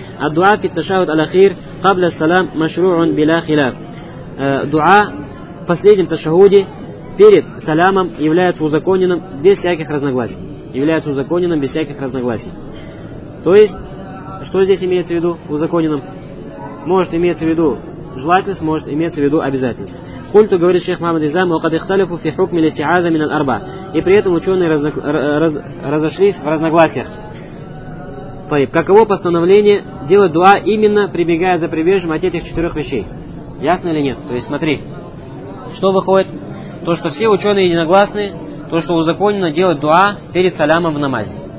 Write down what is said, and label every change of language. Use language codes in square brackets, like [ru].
[ar] الدعاء في التشهد الأخير قبل السلام مشروع بلا خلاف. [ru] Дуа в последнем ташахуде перед салямом является узаконенным без всяких разногласий. Является узаконенным без всяких разногласий. То есть, что здесь имеется в виду узаконенным? Может имеется в виду желательность, может имеется в виду обязательность. Культу говорит шейх Мухаммад Изам, [ar] وقد اختلفوا في حكم الاستعاذة من الأربعة. [ru] И при этом ученые разошлись в разногласиях. Тайб, каково постановление делать дуа, именно прибегая за прибежьем от этих четырех вещей? Ясно или нет? То есть смотри, что выходит? То, что все ученые единогласны, то, что узаконено делать дуа перед салямом в намазе.